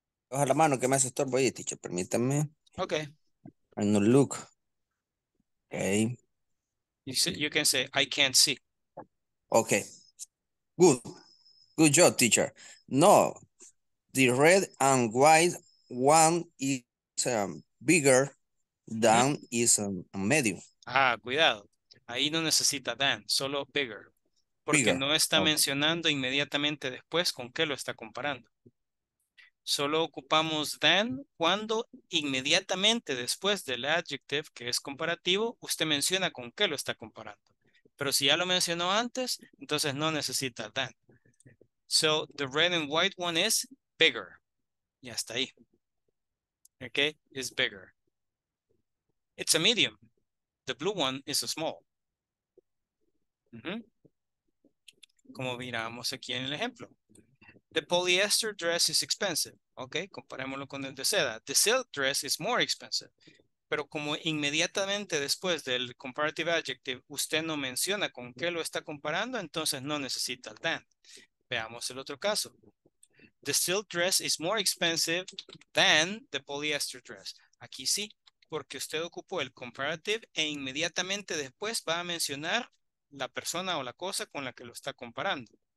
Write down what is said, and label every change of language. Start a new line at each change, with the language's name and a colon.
Spanish: Baja la mano que me hace estorbo ahí, teacher, permítame.
English: Okay. And no look. Okay. You see, you can say, I can't see. Okay. Good. Good job, teacher. No, the red and white one is bigger than is medium.
Spanish: Ah, cuidado. Ahí no necesita than, solo bigger. Porque no está mencionando inmediatamente después con qué lo está comparando. Solo ocupamos than cuando inmediatamente después del adjective, que es comparativo, usted menciona con qué lo está comparando. Pero si ya lo mencionó antes, entonces no necesita than.
English: So, the red and white one is bigger.
Spanish: Y hasta ahí.
English: Okay, it's bigger. It's a medium. The blue one is a small. Mm-hmm.
Spanish: Como miramos aquí en el ejemplo.
English: The polyester dress is expensive.
Spanish: Ok, comparémoslo con el de seda.
English: The silk dress is more expensive.
Spanish: Pero como inmediatamente después del comparative adjective, usted no menciona con qué lo está comparando, entonces no necesita el than. Veamos el otro caso.
English: The silk dress is more expensive than the polyester dress.
Spanish: Aquí sí, porque usted ocupó el comparative e inmediatamente después va a mencionar la persona o la cosa con la que lo está comparando.